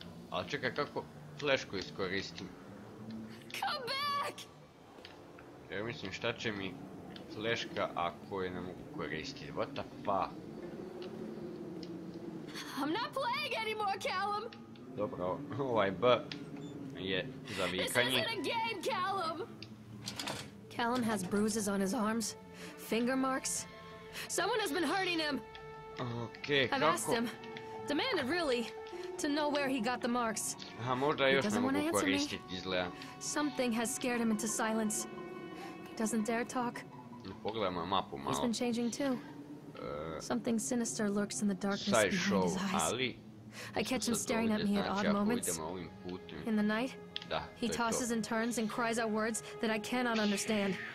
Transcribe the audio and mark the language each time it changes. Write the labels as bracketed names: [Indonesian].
[Serbian] Ali čekaj, kako flešku iskoristim? [English] Come back! [Serbian] Jer mislim, šta će mi fleška ako je ne mogu koristiti? [English] What the fuck? I'm not playing anymore, Callum! [Serbian] Dobro, ovaj B je za vikanje. [English] This isn't a game, Callum! Callum has bruises on his arms, finger marks. Someone has been hurting him! [Serbian] Okej, okay, kako? [English] I've asked him, demanded really. To know where he got the marks. [Serbian] Aha, možda još ne mogu koristiti, izgleda. [English] Something has scared him into silence. He doesn't dare talk. [Serbian] Pogledajmo mapu malo. [English] He's been changing too. Something sinister lurks in the darkness behind his eyes. [Serbian] Ali, [English] I catch him staring at me at odd moments. In the night, he tosses and turns and cries out words that I cannot understand.